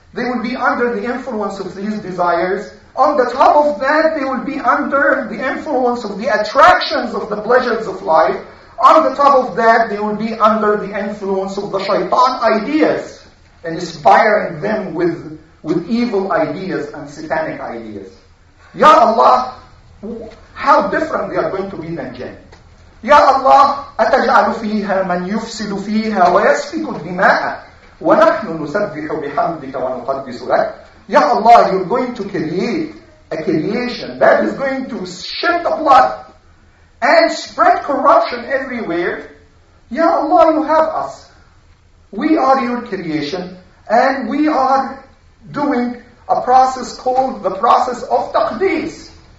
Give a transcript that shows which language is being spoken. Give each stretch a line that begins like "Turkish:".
English: they will be under the influence of these desires. On the top of that, they will be under the influence of the attractions of the pleasures of life. On the top of that, they will be under the influence of the shaitan ideas, inspiring them with evil ideas and satanic ideas. Ya Allah, how different they are going to be than jinn.
Arabic: Ya Allah, أَتَجْعَلُ فِيهَا مَنْ يُفْسِدُ فِيهَا وَيَسْفِكُ الدِّمَاءَ وَنَحْنُ نُسَبِّحُ بِحَمْدِكَ وَنُقَدِّسُ لَكَ.
English: Ya Allah, you're going to create a creation that is going to shed the blood and spread corruption everywhere. Ya Allah, you have us. We are your creation, and we are doing a process called the process of taqdis.